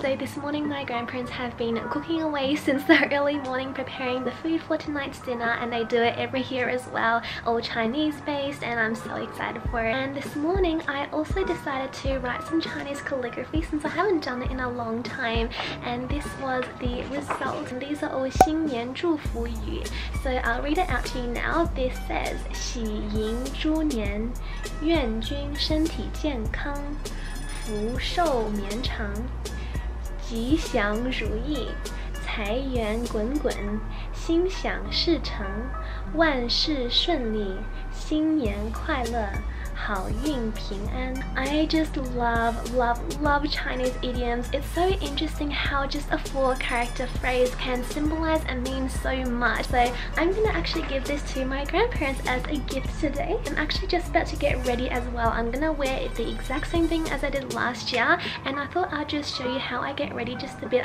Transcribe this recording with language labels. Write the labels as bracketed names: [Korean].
[English] So this morning my grandparents have been cooking away since the early morning preparing the food for tonight's dinner, and they do it every year as well, all Chinese based, and I'm so excited for it. And this morning I also decided to write some Chinese calligraphy since I haven't done it in a long time, and this was the result. And these are all 新年祝福语.So I'll read it out to you now. This says [Chinese] 喜迎猪年，愿君身体健康，福寿绵长，吉祥如意，财源滚滚，心想事成，万事顺利，新年快乐。好运平安. [English] I just love Chinese idioms. It's so interesting how just a four character phrase can symbolize and mean so much. So I'm gonna actually give this to my grandparents as a gift today. I'm actually just about to get ready as well. I'm gonna wear the exact same thing as I did last year, and I thought I'd just show you how I get ready just a bit.